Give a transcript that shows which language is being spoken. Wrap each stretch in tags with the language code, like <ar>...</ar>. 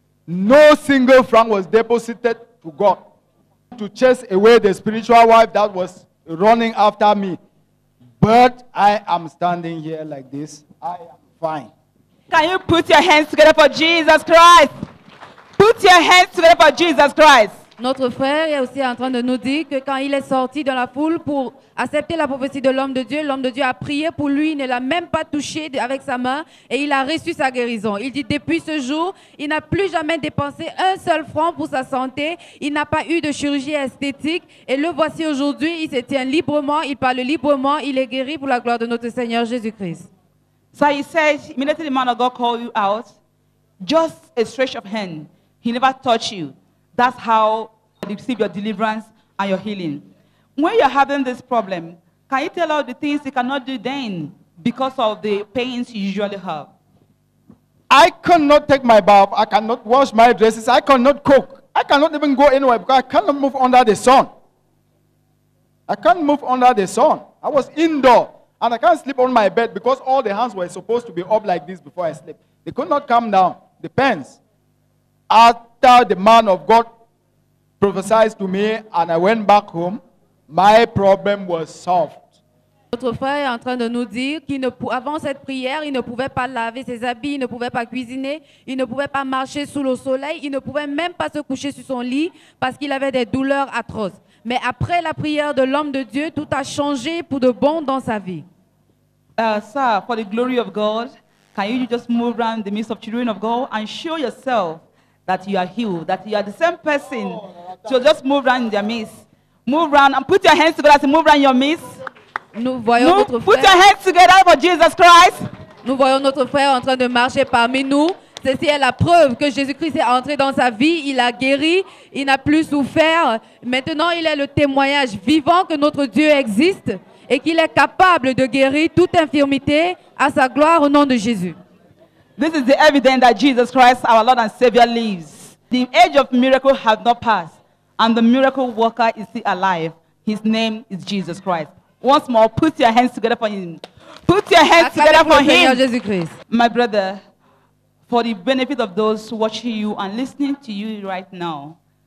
<en>No single franc was deposited to God to chase away the spiritual wife that was running after me. But I am standing here like this. I am fine. Can you put your hands together for Jesus Christ? Put your hands together for Jesus Christ.</en> <fr>Notre frère est aussi en train de nous dire que quand il est sorti dans la foule pour accepter la prophétie de l'homme de Dieu a prié pour lui, il ne l'a même pas touché avec sa main et il a reçu sa guérison. Il dit depuis ce jour, il n'a plus jamais dépensé un seul franc pour sa santé, il n'a pas eu de chirurgie esthétique et le voici aujourd'hui, il se tient librement, il parle librement, il est guéri pour la gloire de notre Seigneur Jésus-Christ.</fr> <en>So he says, immediately the man of God called you out, just a stretch of hand. He never touched you. That's how you receive your deliverance and your healing. When you're having this problem, can you tell all the things you cannot do then because of the pains you usually have? I cannot take my bath. I cannot wash my dresses. I cannot cook. I cannot even go anywhere because I cannot move under the sun. I can't move under the sun. I was indoor and I can't sleep on my bed because all the hands were supposed to be up like this before I sleep. They could not come down. The pains. After the man of God prophesied to me and I went back home, my problem was solved.</en> <fr>Notre frère est en train de nous dire qu'avant cette prière, il ne pouvait pas laver ses habits, il ne pouvait pas cuisiner, il ne pouvait pas marcher sous le soleil, il ne pouvait même pas se coucher sur son lit parce qu'il avait des douleurs atroces. Mais après la prière de l'homme de Dieu, tout a changé pour de bon dans sa vie.</fr> <en>Sir, for the glory of God, can you just move around the midst of children of God and show yourself that you are healed, that you are the same person. So just move around in their midst. Move around and put your hands together as you move around your midst.</en> <fr>Nous voyons</fr> <en>move,</en> <fr>notre frère.</fr> <en>Put your hands together for Jesus Christ.</en> <fr>Nous voyons notre frère en train de marcher parmi nous. Ceci est la preuve que Jésus-Christ est entré dans sa vie. Il a guéri. Il n'a plus souffert. Maintenant, il est le témoignage vivant que notre Dieu existe et qu'il est capable de guérir toute infirmité à sa gloire au nom de Jésus.</fr> <en>This is the evidence that Jesus Christ, our Lord and Savior, lives. The age of miracle has not passed, and the miracle worker is still alive. His name is Jesus Christ. Once more, put your hands together for him. Put your hands together for him. Jesus Christ. My brother, for the benefit of those watching you and listening to you right now,</en>